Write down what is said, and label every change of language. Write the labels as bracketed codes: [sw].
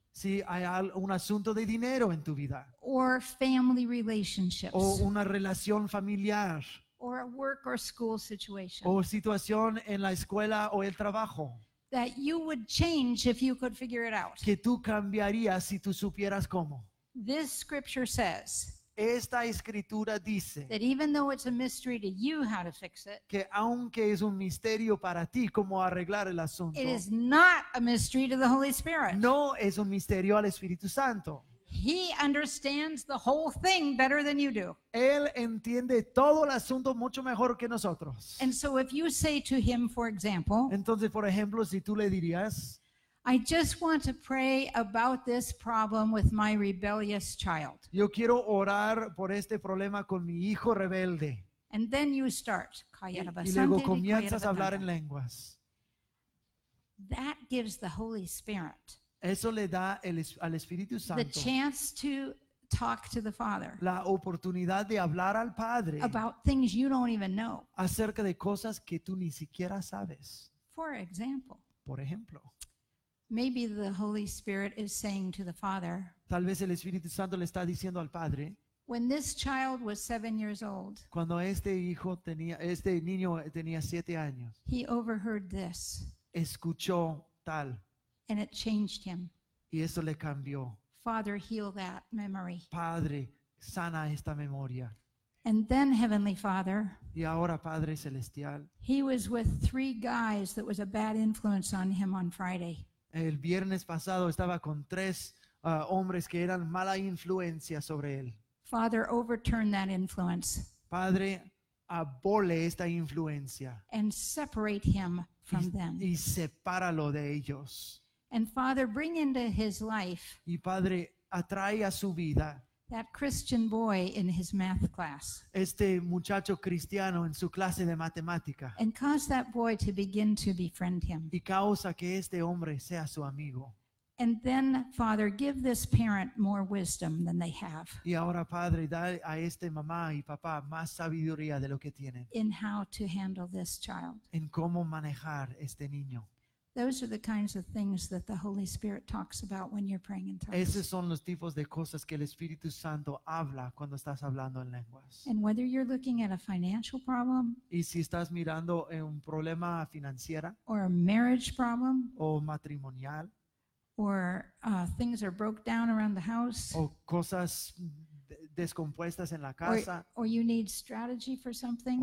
[es] Si hay un asunto de dinero en tu vida, [en] or family relationships, [es] o una relación familiar, [en] or a work or school situation, [es] o situación en la escuela o el trabajo, [en] that you would change if you could figure it out, [es] que tú cambiarías si tú supieras cómo. [en] This scripture says, [es] esta escritura dice, [en] that even though it's a mystery to you how to fix it, [es] que aunque es un misterio para ti cómo arreglar el asunto, [en] it is not a mystery to the Holy Spirit. [es] No es un misterio al Espíritu Santo. [en] He understands the whole thing better than you do. [es] Él entiende todo el asunto mucho mejor que nosotros. [en] And so if you say to him, for example, [es] entonces, por ejemplo, si tú le dirías, [en] I just want to pray about this problem with my rebellious child. [es] Yo quiero orar por este problema con mi hijo rebelde. [en] And then you start. [es] Y luego comienzas a hablar en lenguas. [en] That gives the Holy Spirit. [es] Eso le da al Espíritu Santo. [en] The chance to talk to the Father. [es] La oportunidad de hablar al Padre. [en] About things you don't even know. [es] Acerca de cosas que tú ni siquiera sabes. [en] For example. [es] Por ejemplo. [en] Maybe the Holy Spirit is saying to the Father, [es] tal vez el Espíritu Santo le está diciendo al Padre, [en] when this child was 7 years old, [es] cuando este niño tenía 7 años, [en] he overheard this, [es] escuchó tal, [en] and it changed him. [es] Y eso le cambió. [en] Father, heal that memory. [es] Padre, sana esta memoria. [en] And then Heavenly Father, [es] y ahora, Padre Celestial, [en] he was with 3 guys that was a bad influence on him on Friday. [es] El viernes pasado estaba con 3 hombres que eran mala influencia sobre él. [en] Father, overturn that influence. [es] Padre, abole esta influencia. [en] And separate him from them. [es] Y sepáralo de ellos. [en] And Father, bring into his life. [es] Y Padre, atrae a su vida. [en] That Christian boy in his math class. [es] Este muchacho cristiano en su clase de matemática. [en] And cause that boy to begin to befriend him. [es] Y causa que este hombre sea su amigo. [en] And then, Father, give this parent more wisdom than they have. [es] Y ahora, Padre, da a este mamá y papá más sabiduría de lo que tienen. [en] In how to handle this child. [es] En cómo manejar este niño. [en] Those are the kinds of things that the Holy Spirit talks about when you're praying in tongues. [es] Esos son los tipos de cosas que el Espíritu Santo habla cuando estás hablando en lenguas. [en] And whether you're looking at a financial problem, [es] y si estás mirando un problema financiero, [en] or a marriage problem, [es] o matrimonial, [en] or things are broke down around the house, [es] o cosas descompuestas en la casa, [en] or you need strategy for something,